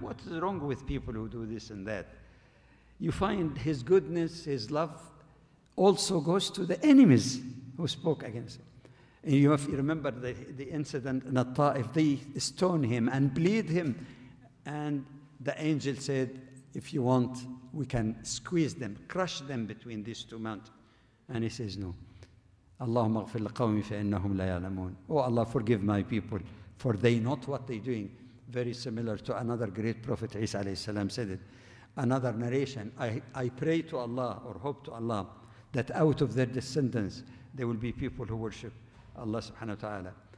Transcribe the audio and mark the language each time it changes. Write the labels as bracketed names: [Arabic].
[English] What is wrong with people who do this and that? You find his goodness, his love, also goes to the enemies who spoke against him. And you have to remember the incident in Al-Ta'if. They stone him and bleed him. And the angel said, if you want, we can squeeze them, crush them between these two mountains. And he says, no. [Arabic] اللهم اغفر لقومي فإنهم لا يعلمون. [English] Oh Allah, forgive my people, for they not what they're doing. Very similar to another great prophet, Isa alayhi salam, said it. Another narration, I pray to Allah, or hope to Allah, that out of their descendants, there will be people who worship Allah subhanahu wa ta'ala.